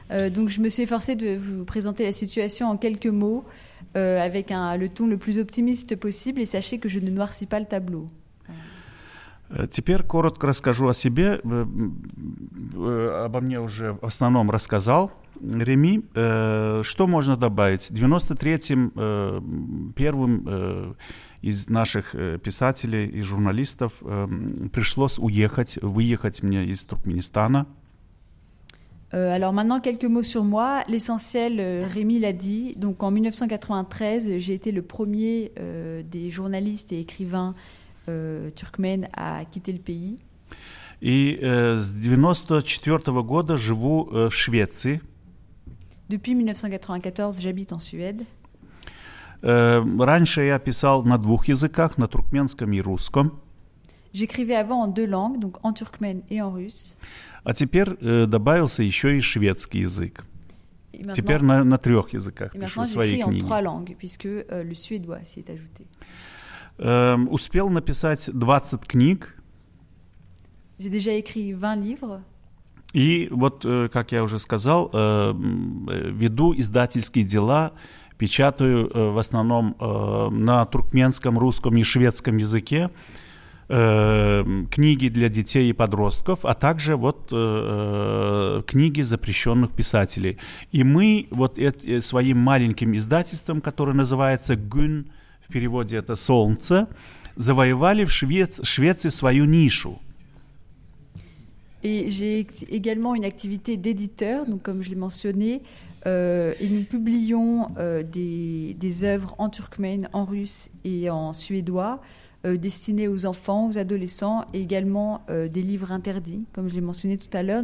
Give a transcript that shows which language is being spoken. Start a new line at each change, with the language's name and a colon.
French: Donc je me suis efforcée de vous présenter la situation en quelques mots, avec le ton le plus optimiste possible, et sachez que je ne noircis pas le tableau.
Russian: Теперь коротко расскажу о себе. Обо мне уже в основном рассказал Реми. Что можно добавить? 93-м первым из наших писателей и журналистов пришлось выехать мне из Туркменистана.
French: Alors maintenant quelques mots sur moi. L'essentiel, Rémi l'a dit. Donc en 1993, j'ai été le premier des journalistes et écrivains turkmènes à quitter le pays.
Russian: И с 94 года живу в Швеции.
French: Depuis 1994, j'habite en Suède.
Russian: Раньше я писал на двух языках, на туркменском и русском.
French: J'écrivais avant en deux langues, donc en turkmène et en russe.
Russian: А теперь добавился еще и шведский язык. Теперь на трех языках пишу свои книги.
French: J'écris en trois langues, puisque le suédois s'y est ajouté.
Russian: Успел написать 20 книг.
French: J'ai déjà écrit 20 livres.
Russian: И вот, как я уже сказал, веду издательские дела в печатаю в основном на туркменском, русском и шведском языке книги для детей и подростков, а также вот книги запрещенных писателей. И мы вот своим маленьким издательством, которое называется «Гюн», в переводе это «Солнце», завоевали в Швеции свою нишу.
French: Et j'ai également une activité d'éditeur, donc comme je l'ai mentionné, et nous publions des œuvres en turkmène, en russe et en suédois, destinées aux enfants, aux adolescents, et également des livres interdits, comme je l'ai mentionné tout à l'heure.